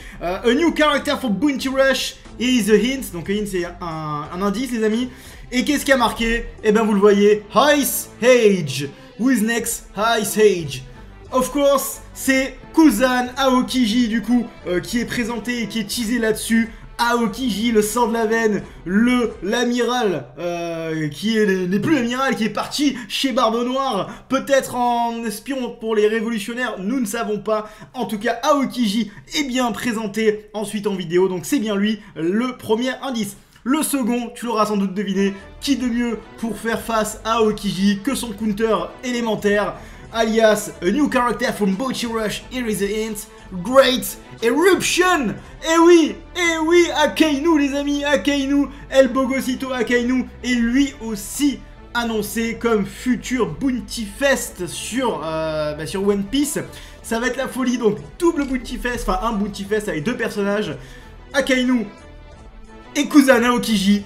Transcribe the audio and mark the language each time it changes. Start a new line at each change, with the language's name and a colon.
English: A new character for Bounty Rush is a hint.
French: Donc a hint, c'est un indice les amis. Et qu'est-ce qui a marqué? Eh bien vous le voyez, Ice Age.
English: Who is next? Ice Age. Of course,
French: c'est Kuzan Aokiji du coup qui est présenté et qui est teasé là-dessus. Aokiji, le sang de la veine, l'amiral qui n'est plus l'amiral, qui est parti chez Barbe Noire, peut-être en espion pour les révolutionnaires, nous ne savons pas. En tout cas, Aokiji est bien présenté ensuite en vidéo, donc c'est bien lui le premier indice. Le second, tu l'auras sans doute deviné, qui de mieux pour faire face à Aokiji que son counter élémentaire?
English: Alias, a new character from Bounty Rush, here is the hint, Great Eruption.
French: Eh oui, Akainu les amis, Akainu, El Bogosito Akainu, est lui aussi annoncé comme futur Bounty Fest sur, sur One Piece. Ça va être la folie, donc double Bounty Fest, enfin un Bounty Fest avec deux personnages, Akainu et Kuzan Aokiji.